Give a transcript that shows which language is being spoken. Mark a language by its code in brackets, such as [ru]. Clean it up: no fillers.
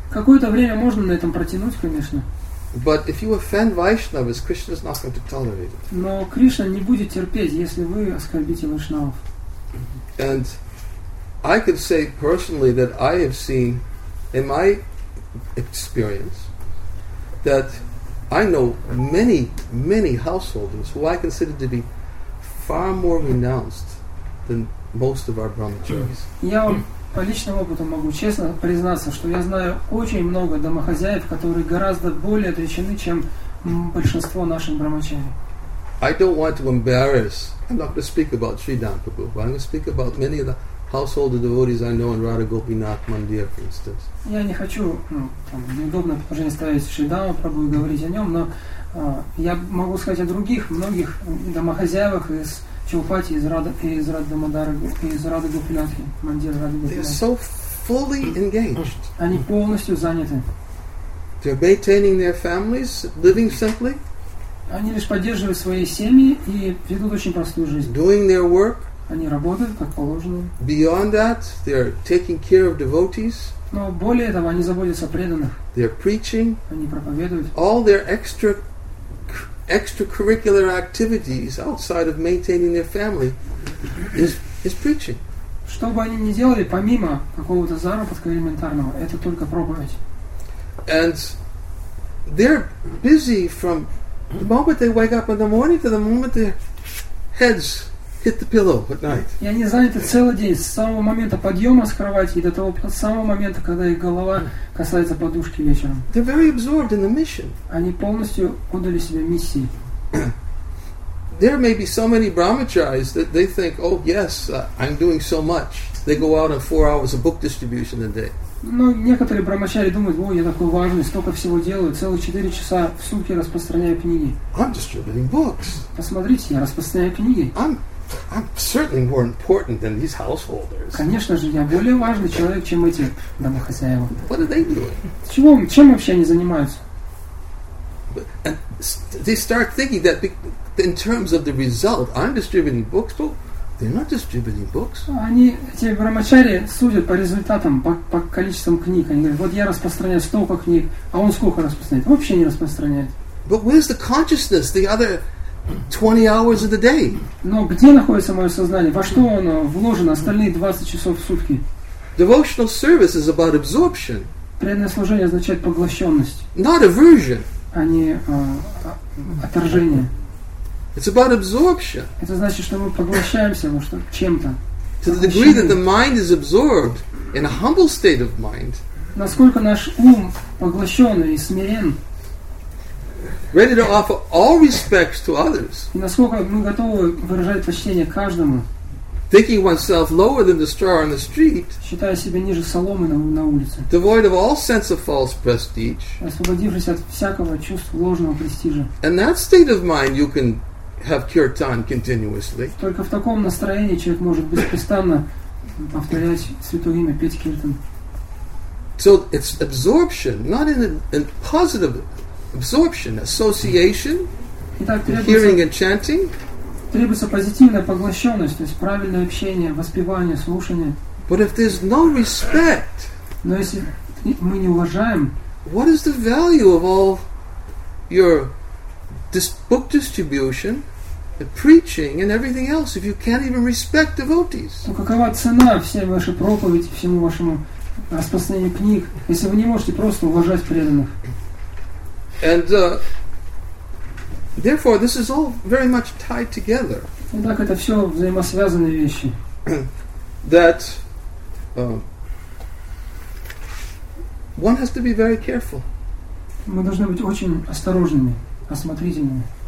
[ru] Какое-то время можно на этом протянуть, конечно. [en] But if you offend Vaishnavas, Krishna is not going to tolerate it. [ru] Но Кришна не будет терпеть, если вы оскорбите вайшнавов. [en] And I could say personally that I have seen in my experience that I know many, many householders who I consider to be far more renounced than most of our brahmacharis. [ru] Я вам по личному опыту могу честно признаться, что я знаю очень много домохозяев, которые гораздо более отречены, чем большинство наших брахмачари. [en] I don't want to embarrass, I'm not going to speak about Sri Dampagu, but I'm going to speak about many of the household devotees I know in Radha Gopinath Mandir, for instance. [ru] Я не хочу, неудобное положение ставить Шри Дама Прабху и говорить о нем, но я могу сказать о других, многих домохозяевах из Чаупати, из Радха Мадарги, из Радха Гопинатхи Мандир, Радха Гопинатхи. [en] They're so fully engaged. [ru] Они полностью заняты. [en] They're maintaining their families, living simply. [ru] Они лишь поддерживают свои семьи и ведут очень простую жизнь. [en] Doing their work. [ru] Они работают, как положено. [en] Beyond that, they are taking care of devotees. [ru] Но более того, они заботятся о преданных. [en] They are preaching. [ru] Они проповедуют. [en] All their extracurricular activities outside of maintaining their family is preaching. [ru] Что бы они ни делали, помимо какого-то заработка элементарного, это только проповедь. [en] And they're busy from the moment they wake up in the morning to the moment their heads hit the pillow at night. [ru] И они заняты целый день, с самого момента подъема с кровати и до того самого момента, когда их голова касается подушки вечером. [en] They're very absorbed in the mission. [ru] Они полностью отдали себя миссии. [en] There may be so many brahmacharis that they think, oh yes, I'm doing so much. They go out on 4 hours of book distribution a day. [ru] Но некоторые брахмачари думают, о, я такой важный, столько всего делаю, целых 4 часа в сутки распространяю книги. [en] I'm distributing books. [ru] Посмотрите, я распространяю книги. [en] I'm I'm certainly more important than these householders. [ru] Конечно же, я более важный человек, чем эти домохозяева. [en] What are they doing? [ru] Чем вообще они занимаются? [en] And they start thinking that in terms of the result, I'm distributing books, but they're not distributing books. [ru] Они эти брамачари судят по результатам, по количеству книг. Они говорят, вот я распространяю столько книг, а он сколько распространяет? Вообще не распространяет. [en] But where's the consciousness? The other 20 hours of the day. [ru] Но где находится мое сознание? Во что оно вложено остальные 20 часов в сутки? [en] Devotional service is about absorption. [ru] Преданное служение означает поглощенность. [en] Not aversion. [ru] А не отторжение. [en] It's about absorption. [ru] Это значит, что мы поглощаемся во что чем-то. [en] To the degree that the mind is absorbed in a humble state of mind. [ru] Насколько наш ум поглощенный и смирен. [en] Ready to offer all respects to others. [ru] И насколько мы готовы выражать почтение каждому. [en] Thinking oneself lower than the straw on the street. [ru] Считая себя ниже соломы на улице. [en] Devoid of all sense of false prestige. [ru] Освободившись от всякого чувства ложного престижа. [en] And that state of mind you can have kirtan continuously. [ru] Только в таком настроении человек может беспрестанно повторять святое имя, петь киртан. [en] So it's absorption, not in positive absorption, association, [ru] Итак, [en] hearing and chanting. [ru] Требуется позитивная поглощенность, то есть правильное общение, воспевание, слушание. [en] But if there's no respect, [ru] но если мы не уважаем, [en] what is the value of all your book distribution, the preaching and everything else if you can't even respect devotees? [ru] Ну какова цена всей вашей проповеди, всему вашему распространению книг, если вы не можете просто уважать преданных? [en] And therefore, this is all very much tied together. [ru] Итак, это все взаимосвязанные вещи. [en] That one has to be very careful. [ru] Мы должны быть очень осторожными, осмотрительными.